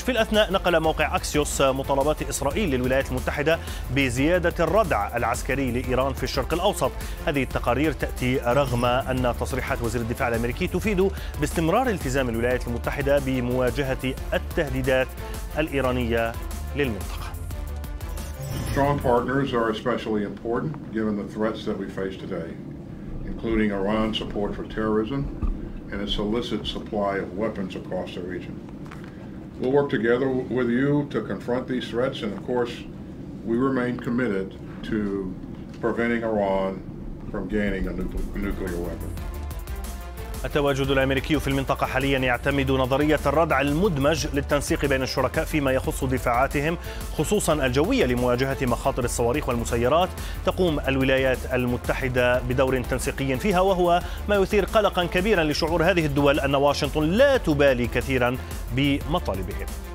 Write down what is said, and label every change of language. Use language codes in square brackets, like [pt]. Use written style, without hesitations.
[ar] في الأثناء نقل موقع أكسيوس مطالبات إسرائيل للولايات المتحدة بزيادة الردع العسكري لإيران في الشرق الأوسط. هذه التقارير تأتي رغم أن تصريحات وزير الدفاع الأمريكي تفيد باستمرار التزام الولايات المتحدة بمواجهة التهديدات الإيرانية للمنطقة. [en] Strong partners are especially important given the threats that we face today, including Iran's support for terrorism and its illicit supply of weapons across the region. We'll work together with you to confront these threats, and of course, we remain committed to preventing Iran from gaining a nuclear weapon. [ar] التواجد الأمريكي في المنطقة حاليا يعتمد نظرية الردع المدمج للتنسيق بين الشركاء فيما يخص دفاعاتهم خصوصا الجوية لمواجهة مخاطر الصواريخ والمسيرات. تقوم الولايات المتحدة بدور تنسيقي فيها، وهو ما يثير قلقا كبيرا لشعور هذه الدول أن واشنطن لا تبالي كثيرا بمطالبهم.